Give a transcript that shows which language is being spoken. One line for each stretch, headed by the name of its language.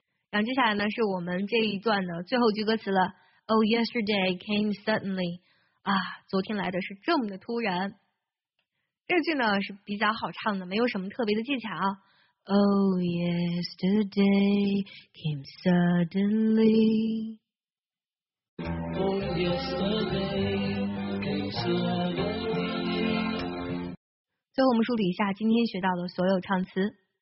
Chinese: 然后接下来呢是我们这一段的最后句歌词了。
English: Oh, yesterday came suddenly.
Chinese: 啊，昨天来的是这么的突然。这句呢是比较好唱的，没有什么特别的技巧。
English: Oh, yesterday came suddenly. Oh, yesterday came suddenly.
Chinese: 最后我们梳理一下今天学到的所有唱词。